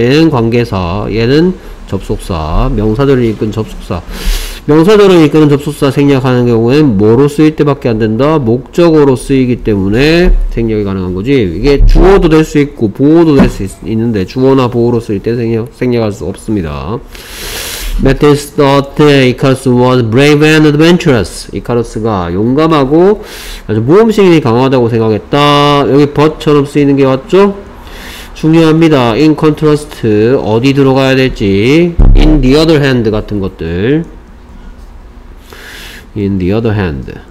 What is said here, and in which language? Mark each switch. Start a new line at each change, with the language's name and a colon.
Korean: 얘는 관계사, 얘는 접속사, 명사들을 이끄는 접속사. 명사들을 이끄는 접속사 생략하는 경우엔 뭐로 쓰일 때밖에 안 된다? 목적어로 쓰이기 때문에 생략이 가능한 거지. 이게 주어도 될 수 있고 보어도 될 수 있는데 주어나 보어로 쓰일 때 생략할 수 없습니다.
English: Matisse thought that Icarus was brave and adventurous.
Korean: 이카루스가 용감하고 아주 모험심이 강하다고 생각했다. 여기 but처럼 쓰이는 게 맞죠? 중요합니다.
English: In contrast,
Korean: 어디 들어가야 될지.
English: In the other hand 같은 것들. In the other hand.